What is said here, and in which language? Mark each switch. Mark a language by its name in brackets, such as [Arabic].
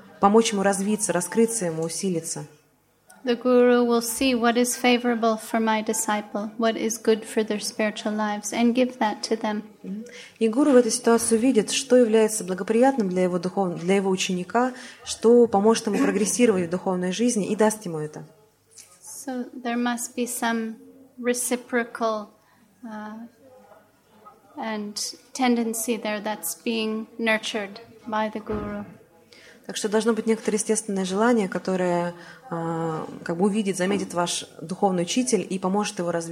[Russian] помочь ему развиться, раскрыться ему, усилиться. [English] The guru will see what is favorable for my disciple, what is good for their spiritual lives, and give that to them. [Russian] И гуру в этой ситуации видит, что является благоприятным для его духовного, для его ученика, что поможет ему прогрессировать в духовной жизни, и даст ему это. [English] So there must be some reciprocal and tendency there that's being nurtured by the guru. [Russian] Так что должно быть некоторое естественное желание, которое как бы увидит, заметит ваш духовный учитель и поможет его